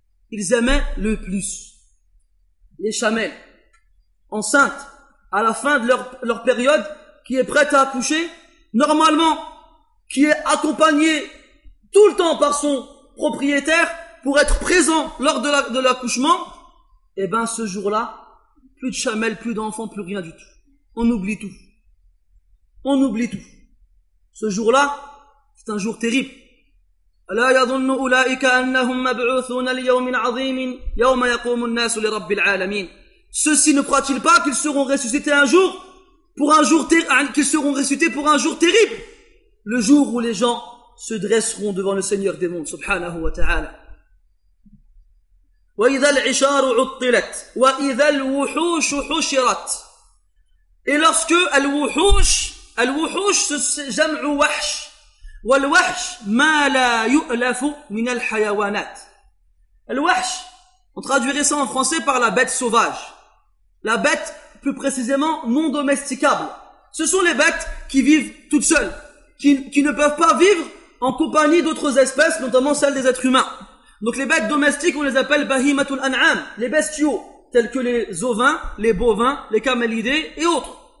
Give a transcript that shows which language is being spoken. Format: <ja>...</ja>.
<fr>Ils aimaient le plus. Les chamelles, enceintes, à la fin de leur période, qui est prête à accoucher, normalement, qui est accompagnée tout le temps par son propriétaire pour être présent lors de l'accouchement, eh ben ce jour-là, plus de chamelles, plus d'enfants, plus rien du tout. On oublie tout. On oublie tout. Ce jour-là, c'est un jour terrible.</fr> <ar>لا يظن أولئك أنهم مبعوثون ليوم عظيم يوم يقوم الناس لرب العالمين.</ar> <fr>Ceux-ci ne croient-ils pas qu'ils seront ressuscités un jour, pour un jour qu'ils seront ressuscités pour un jour terrible, le jour où les gens se dresseront devant le Seigneur des mondes, subhanahu wa ta'ala.</fr> <ar>وَإِذَا الْعِشَارُ عُطِّلَتْ وَإِذَا الْوُحُوشُ حُشِرَتْ.</ar> <fr>Et lorsque</fr> <ar>الْوُحُوشُ</ar> <fr>c'est</fr> <ar>جَمْعُ وَحْشُ وَالْوَحْشُ مَا لَا يُؤْلَفُ مِنَ الْحَيَوَانَاتِ.</ar> <fr>الْوَحْشُ, on traduirait ça en français par la bête sauvage. La bête, plus précisément, non domesticable. Ce sont les bêtes qui vivent toutes seules, qui ne peuvent pas vivre en compagnie d'autres espèces, notamment celles des êtres humains. Donc les bêtes domestiques, on les appelle bahimatul an'am, les bestiaux, tels que les ovins, les bovins, les camélidés et autres.</fr>